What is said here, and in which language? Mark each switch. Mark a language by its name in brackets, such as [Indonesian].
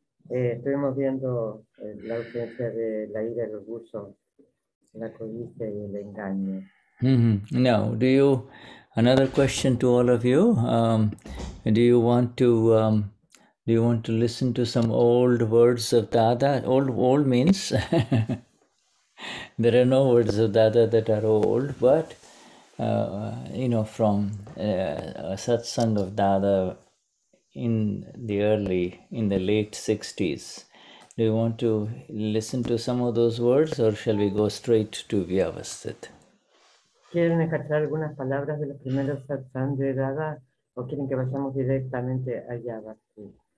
[Spanish] Estuvimos viendo la ausencia de la ira, el orgullo, la codicia y el engaño. [English] Now, do you... Another question to all of you: do you want to listen to some old words of Dada? Old means there are no words of Dada that are old, but from a satsang of Dada in the late 60s. Do you want to listen to some of those words, or shall we go straight to Vyavasthit? [Spanish] ¿Quieren escuchar algunas palabras de los primeros satsang de Dada o quieren que vayamos directamente a Yavasthi?